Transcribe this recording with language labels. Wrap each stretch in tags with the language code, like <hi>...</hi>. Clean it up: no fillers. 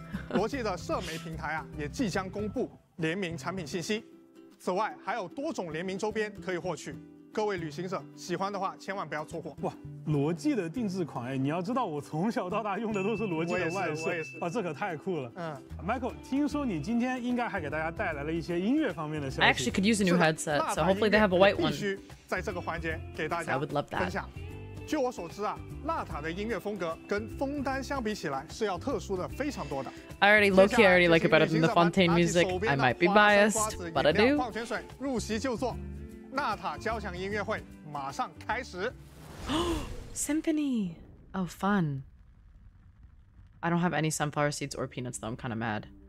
<zh>罗技的社媒平台啊，也即将公布联名产品信息。此外，还有多种联名周边可以获取。各位旅行者喜欢的话，千万不要错过。哇，罗技的定制款哎，你要知道我从小到大用的都是罗技的外设，哇，这可太酷了。嗯，Michael， 听说你今天应该还给大家带来了一些音乐方面的消息。</zh> <en>I actually could use a new headset, so hopefully they have a white one.</en> <zh>必须在这个环节给大家分享。据我所知啊，纳塔的音乐风格跟枫丹相比起来是要特殊的非常多的。</zh> <en>I already low key already like it better than the Fontaine music. I might be biased, but I do.</en> <zh>矿泉水入席就坐，纳塔交响音乐会马上开始。</zh> <en>Symphony, oh fun. I don't have any sunflower seeds or peanuts though. I'm kind of mad.</en>